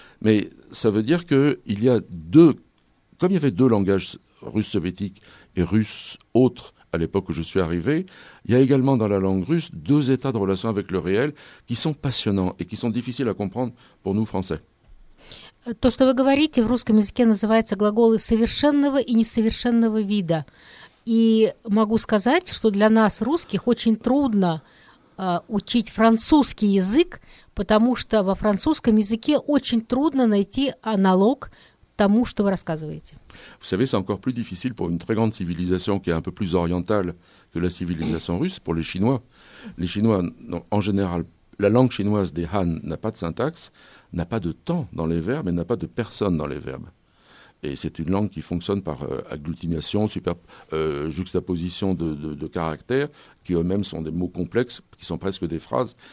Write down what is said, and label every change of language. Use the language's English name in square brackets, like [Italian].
[French] Mais ça veut dire qu'il y a deux... Comme il y avait deux langages russes soviétiques et russes autres à l'époque où je suis arrivé, il y a également dans la langue russe deux états de relation avec le réel qui sont passionnants et qui sont difficiles à comprendre pour nous, Français. [Russian] То, что вы говорите, в русском языке называется глаголы совершенного и несовершенного вида. И могу сказать, что для нас, русских, очень трудно учить французский язык, потому что во французском языке очень трудно найти аналог тому, что вы рассказываете. [French] Vous savez, c'est encore plus difficile pour une très grande civilisation qui est un peu plus orientale que la civilisation russe, pour les Chinois. Les Chinois, en général, la langue chinoise des Han n'a pas de syntaxe, n'a pas de temps dans les verbes et n'a pas de personne dans les verbes. Et c'est une langue qui fonctionne par agglutination, juxtaposition de caractères, qui eux-mêmes sont des mots complexes, qui sont presque des phrases.